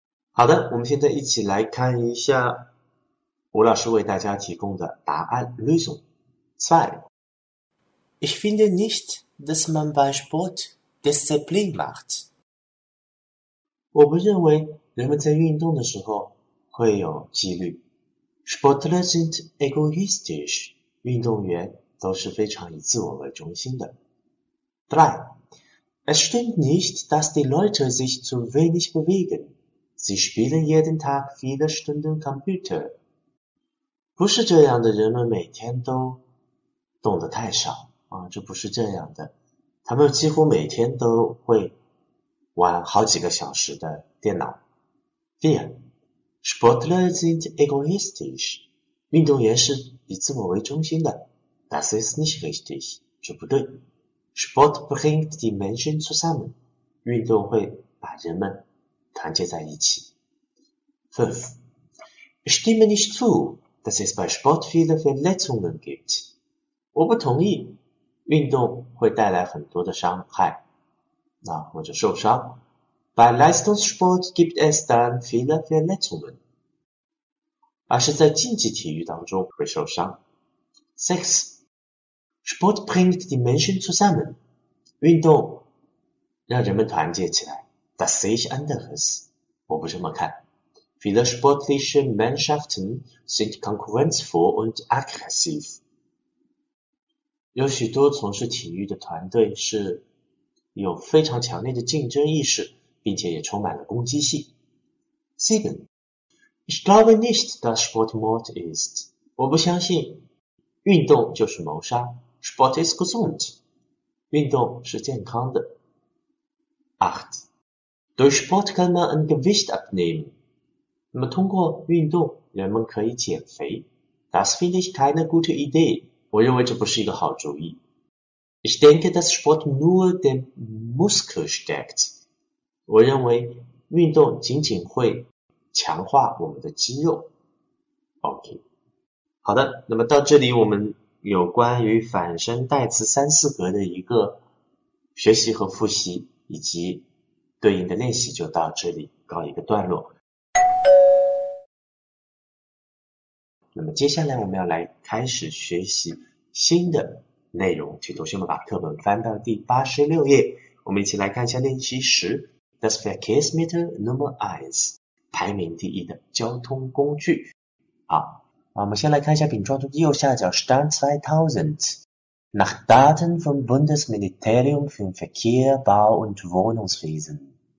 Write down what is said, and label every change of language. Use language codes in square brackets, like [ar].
[zh] 好的，我们现在一起来看一下吴老师为大家提供的答案 Lösung 2。 [de] Ich finde nicht, dass man bei Sport Disziplin macht. [zh] 我不认为人们在运动的时候会有纪律。 [de] Sportler sind egoistisch. [zh] 运动员都是非常以自我为中心的。 [de] 3. Es stimmt nicht, dass die Leute sich zu wenig bewegen. Sie spielen jeden Tag viele Stunden Computer. [zh] 不是这样的，人们每天都动得太少啊，这不是这样的。他们几乎每天都会玩好几个小时的电脑。 [de] 4. Sportler sind egoistisch. [zh] 运动员是以自我为中心的。 [de] Das ist nicht richtig. [zh] 这不对。 [de] Sport bringt die Menschen zusammen. [zh] 运动会把人们团结在一起。 [de] 5. Ich stimme nicht zu, dass es bei Sport viele Verletzungen gibt. [zh] 我不同意运动会带来很多的伤害，那或者受伤。 [de] Bei Leistungssport gibt es dann viele Verletzungen. Also der Jinji-Tiyu-Dang-Jung Kui-Shou-Shang. 6. Sport bringt die Menschen zusammen. Yun-Dong. Ja, [zh] 人们团结起来. [de] Das sehe ich anderes. Wo [zh] 不这么看. [de] Viele sportliche Mannschaften sind konkurrenzvoll und aggressiv. [zh] 有许多从事体育的团队是有非常强烈的竞争意识。并且也充满了攻击性. [de] 7. Ich glaube nicht, dass Sport Mord ist. [zh] 我不相信.运动就是谋杀. [de] Sport ist gesund. [zh] 运动是健康的. [de] 8. Durch Sport kann man ein Gewicht abnehmen. [zh] 那么通过运动，人们可以减肥. [de] Das finde ich keine gute Idee. [zh] 我认为这不是一个好主意. [de] Ich denke, dass Sport nur den Muskel stärkt. [zh] 我认为运动仅仅会强化我们的肌肉。 OK， 好的，那么到这里我们有关于反身代词三四格的一个学习和复习，以及对应的练习就到这里告一个段落。那么接下来我们要来开始学习新的内容，请同学们把课本翻到第86页，我们一起来看一下练习时。 [de] Das Verkehrsmittel Nummer 1, [zh] 排名第一的交通工具。好，我们先来看一下饼状图的右下角 [de] Stand 2000 Nach Daten vom Bundesministerium für Verkehr, Bau und Wohnungswesen.